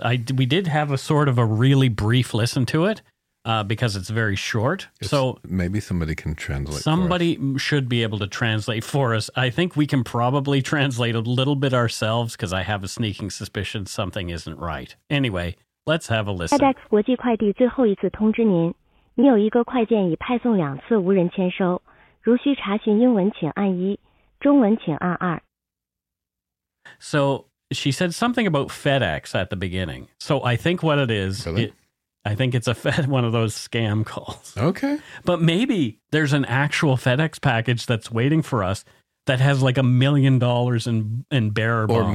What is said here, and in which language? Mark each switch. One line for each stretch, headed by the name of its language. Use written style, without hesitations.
English: We did have a sort of a really brief listen to it because it's very short. So maybe somebody can translate. Somebody should be able to translate for us. I think we can probably translate a little bit ourselves because I have a sneaking suspicion something isn't right. Anyway, let's have a listen.
Chinese: FedEx 国际快递最后一次通知您，您有一个快件已派送两次无人签收，如需查询英文请按一，中文请按二。
English: So she said something about FedEx at the beginning. So I think what it is, really? I think it's one of those scam calls. Okay. But maybe there's an actual FedEx package that's waiting for us that has like $1 million in bearer bonds.